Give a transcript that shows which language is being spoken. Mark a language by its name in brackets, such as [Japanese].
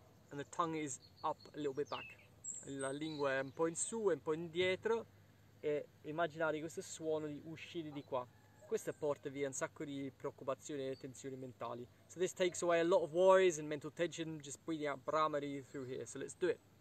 [English] And the tongue is up a little bit back. [Italian] La lingua è un po' in su e un po' indietro. E immaginare questo suono di uscire di qua. Questo porta via un sacco di preoccupazioni e tensioni mentali. [English] So this takes away a lot of worries and mental tension, just breathing out Brahmari through here. So let's do it.